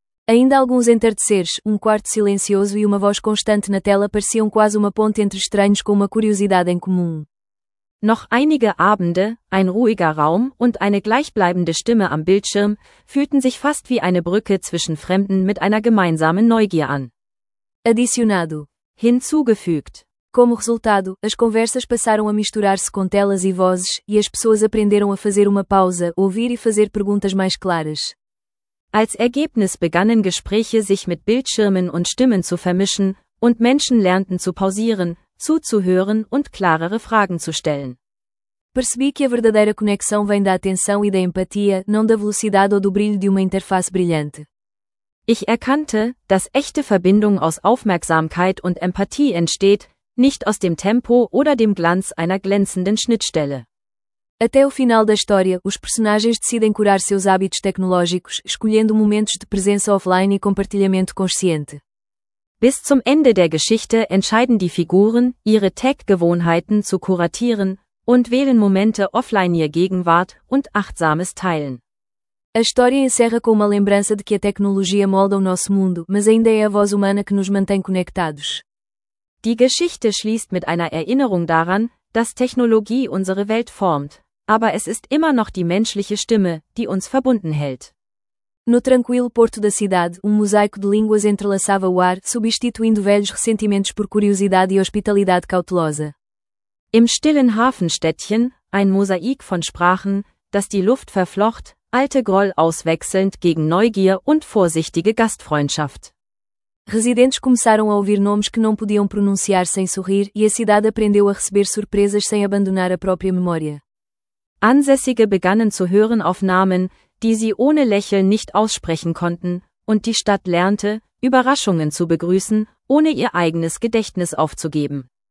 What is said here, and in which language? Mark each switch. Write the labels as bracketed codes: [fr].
[pt] Ainda alguns entardeceres, quarto silencioso e uma voz constante na tela pareciam quase uma ponte entre estranhos com uma curiosidade em comum. [de] Noch einige Abende, ein ruhiger Raum und eine gleichbleibende Stimme am Bildschirm, fühlten sich fast wie eine Brücke zwischen Fremden mit einer gemeinsamen Neugier an. [pt] Adicionado. [de] Hinzugefügt. [pt] Como resultado, as conversas passaram a misturar-se com telas e vozes, e as pessoas aprenderam a fazer uma pausa, ouvir e fazer perguntas mais claras. [de] Als Ergebnis begannen Gespräche sich mit Bildschirmen und Stimmen zu vermischen, und Menschen lernten zu pausieren, zuzuhören und klarere Fragen zu stellen. [pt] Percebi que a verdadeira conexão vem da atenção e da empatia, não da velocidade ou do brilho de uma interface brilhante. [de] Ich erkannte, dass echte Verbindung aus Aufmerksamkeit und Empathie entsteht, nicht aus dem Tempo oder dem Glanz einer glänzenden Schnittstelle. [pt] Até o final da história, os personagens decidem curar seus hábitos tecnológicos, escolhendo momentos de presença offline e compartilhamento consciente. [de] Bis zum Ende der Geschichte entscheiden die Figuren, ihre Tech-Gewohnheiten zu kuratieren und wählen Momente offline ihr Gegenwart und achtsames Teilen. [pt] A história encerra com uma lembrança de que a tecnologia molda o nosso mundo, mas ainda é a voz humana que nos mantém conectados. [de] Die Geschichte schließt mit einer Erinnerung daran, dass Technologie unsere Welt formt, aber es ist immer noch die menschliche Stimme, die uns verbunden hält. [pt] No tranquilo porto da cidade, mosaico de línguas entrelaçava o ar, substituindo velhos ressentimentos por curiosidade e hospitalidade cautelosa. [de] Im stillen Hafenstädtchen, ein Mosaik von Sprachen, das die Luft verflocht, alte Groll auswechselnd gegen Neugier und vorsichtige Gastfreundschaft. [pt] Residentes começaram a ouvir nomes que não podiam pronunciar sem sorrir, e a cidade aprendeu a receber surpresas sem abandonar a própria memória. [de] Ansässige begannen zu hören auf Namen, die sie ohne Lächeln nicht aussprechen konnten, und die Stadt lernte, Überraschungen zu begrüßen, ohne ihr eigenes Gedächtnis aufzugeben.